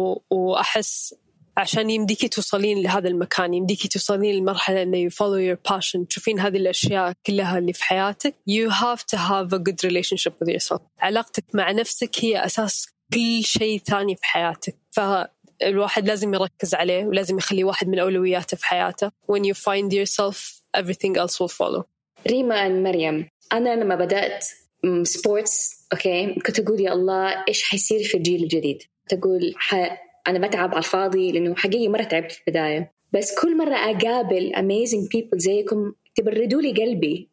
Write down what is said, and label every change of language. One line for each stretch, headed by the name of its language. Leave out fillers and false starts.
Arabic: وأحس عشان يمديكي توصلين لهذا المكان, يمديكي توصلين للمرحلة إنه
English: you follow your passion,
Arabic: تشوفين هذه الأشياء كلها اللي في حياتك,
English: you have to have a good relationship with yourself.
Arabic: علاقتك مع نفسك هي أساس كل شيء ثاني في حياتك. ف الواحد لازم يركز عليه ولازم يخليه واحد من أولوياته في حياته.
English: When you find yourself, everything else will follow.
Arabic: ريما and مريم, أنا لما بدأت sports, okay, كنت أقول يا الله إيش حيصير في الجيل الجديد. تقول أنا بتعب على الفاضي لأنه حقيقي مرة تعبت في البداية. بس كل مرة أقابل
English: amazing people
Arabic: زيكم تبردوا لي قلبي.